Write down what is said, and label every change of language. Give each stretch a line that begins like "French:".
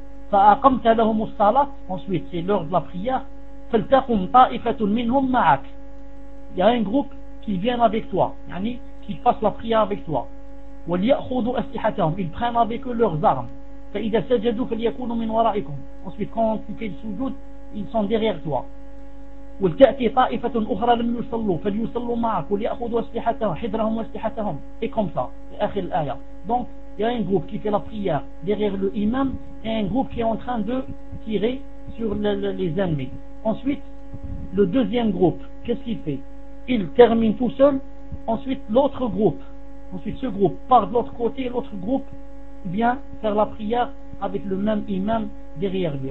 Arabic: Fa aqamta lahum as-salat,
French: ensuite c'est l'heure de la prière,
Arabic: faltaqum ta'ifatun minhum ma'ak.
French: Il y a un groupe qui vient avec toi, yani qui passe la prière avec toi.
Arabic: وليأخذوا أسلحتهم
French: ils prennent avec eux leurs armes.
Arabic: فإذا سجدوا فليكونوا من ورائكم
French: ensuite quand tu fais le sujoud ils sont derrière toi.
Arabic: ولتأتي طائفة أخرى لم يصلوا فليصلوا معك وليأخذوا أسلحتهم حذرهم وأسلحتهم
French: et comme ça
Arabic: آخر الآية.
French: Donc il y a un groupe qui fait la prière derrière le imam et un groupe qui est en train de tirer sur les ennemis. Ensuite le deuxième groupe, qu'est-ce qu'il fait? Il termine tout seul. Ensuite l'autre groupe, ensuite ce groupe part de l'autre côté, l'autre groupe vient faire la prière avec le même imam derrière lui.